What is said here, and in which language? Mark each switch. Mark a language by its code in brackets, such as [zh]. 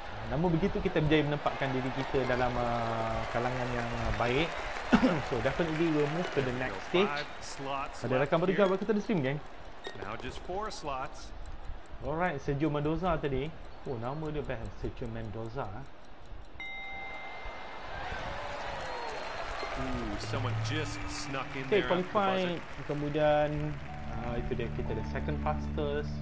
[ms] Namun begitu kita berjaya menempatkan diri kita dalam kalangan yang baik. [en] So definitely we'll move to the next stage. [ms] Ada rakan baru juga kita ada stream, geng. [en] Now just four slots. Alright, Sergio Mendoza tadi. [ms] Oh, nama dia best, [en] Sergio Mendoza. Someone just snuck in okay, there. [ms] Qualify. Kemudian itu dia, kita [en] the second fastest.